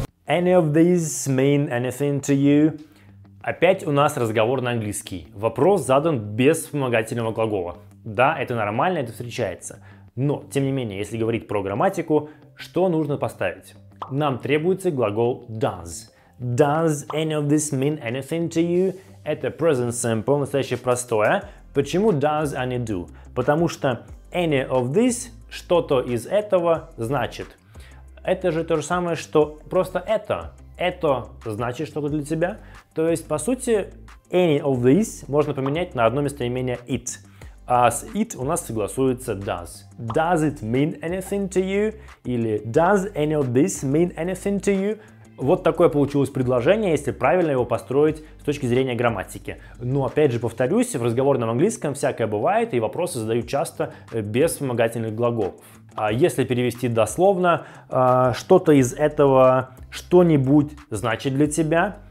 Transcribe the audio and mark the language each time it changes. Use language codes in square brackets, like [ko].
[en] Any of these mean anything to you? [ru] Опять у нас разговор на английский. Вопрос задан без вспомогательного глагола. Да, это нормально, это встречается. Но, тем не менее, если говорить про грамматику, что нужно поставить? Нам требуется глагол does. [en] Does any of this mean anything to you? [ru] Это present simple, настоящее простое. Почему does, а не do? Потому что [en] any of this, [ru] что-то из этого, значит. Это же то же самое, что просто это. Это значит что-то для тебя. То есть, по сути, [en] any of this [ru] можно поменять на одно местоимение it. А с it у нас согласуется does. [en] Does it mean anything to you? Или does any of this mean anything to you? [ru] Вот такое получилось предложение, если правильно его построить с точки зрения грамматики. Но опять же повторюсь, в разговорном английском всякое бывает, и вопросы задают часто без вспомогательных глаголов. А если перевести дословно, что-то из этого что-нибудь значит для тебя.